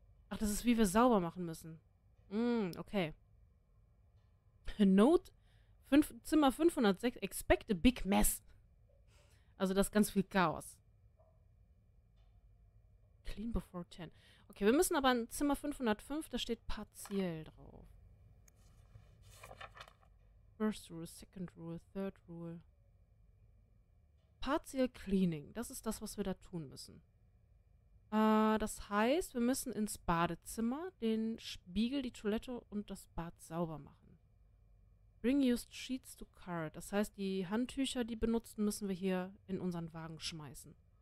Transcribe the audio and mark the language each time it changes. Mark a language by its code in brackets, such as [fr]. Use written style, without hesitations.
[de] Ach, das ist, wie wir sauber machen müssen. Okay. [en] Note, Zimmer 506, expect a big mess. [de] Also das ist ganz viel Chaos. [en] Clean before 10. [de] Okay, wir müssen aber in Zimmer 505, da steht partiell drauf. [en] First rule, second rule, third rule. Partial cleaning. [de] Das ist das, was wir da tun müssen. Das heißt, wir müssen ins Badezimmer den Spiegel, die Toilette und das Bad sauber machen. [en] Bring used sheets to cart. [de] Das heißt, die Handtücher, die benutzen, müssen wir hier in unseren Wagen schmeißen.